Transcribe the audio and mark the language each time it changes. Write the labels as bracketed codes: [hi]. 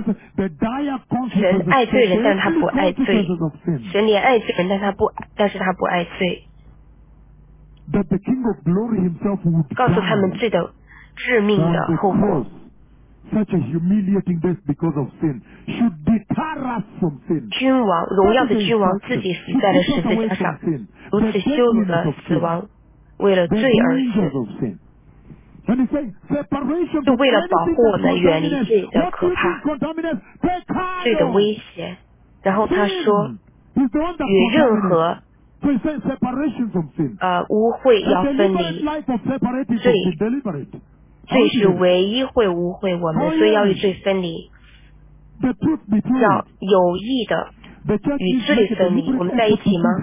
[zh] 神爱罪人，但他不爱罪。神怜爱罪人，但是他不爱罪。 [en] That the King of Glory himself would die. [zh] 告诉他们罪的致命的后果。 [en] Such a humiliating death because of sin should deter us from sin. [zh] 君王，荣耀的君王自己死在了十字架上，如此羞辱的死亡，为了罪而死。就为了保护我们远离罪的可怕，罪的威胁。然后他说与任何污秽要分离，罪是唯一会污秽我们，所以要与罪分离，要有意的与罪分离。我们在一起吗？